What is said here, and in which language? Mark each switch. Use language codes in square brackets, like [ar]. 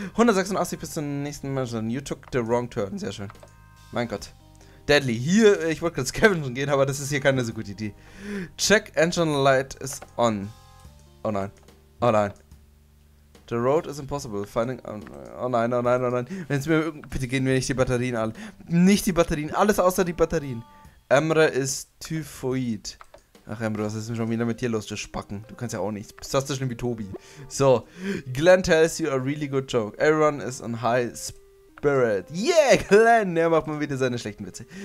[de] 186 bis zum nächsten Mansion. [en] You took the wrong turn. [de] Sehr schön. Mein Gott. Deadly, hier, ich wollte gerade scavengen gehen, aber das ist hier keine so gute Idee. [en] Check engine light is on. [de] Oh nein, oh nein. [en] The road is impossible, finding... [de] Oh nein, oh nein, oh nein. Wenn es mir... Bitte gehen wir nicht die Batterien alle. Nicht die Batterien, alles außer die Batterien. Emre ist typhoid. Ach Emre, was ist denn schon wieder mit dir los, du Spacken? Du kannst ja auch nichts. Bist du so schlimm wie Tobi? [en] So, Glenn tells you a really good joke. Everyone is on high speed. Spirit. [de] Yeah, Glenn, der macht mal wieder seine schlechten Witze.